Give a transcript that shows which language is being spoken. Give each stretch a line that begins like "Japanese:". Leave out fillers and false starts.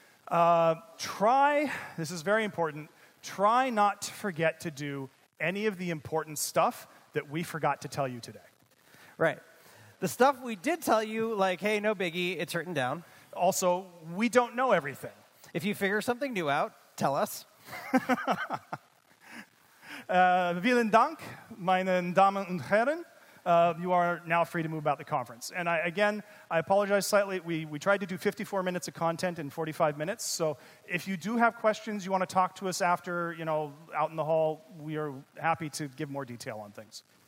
English: This is very important, try not to forget to do any of the important stuff that we forgot to tell you today. Right. The stuff we did tell you, like, hey, no biggie, it's written down. Also, we don't know everything. If you figure something new out, tell us.
German: Vielen Dank, meine Damen und Herren.
English: You are now free to move about the conference. And I apologize slightly. We tried to do 54 minutes of content in 45 minutes. So if you do have questions, you want to talk to us after, you know, out in the hall, we are happy to give more detail on things.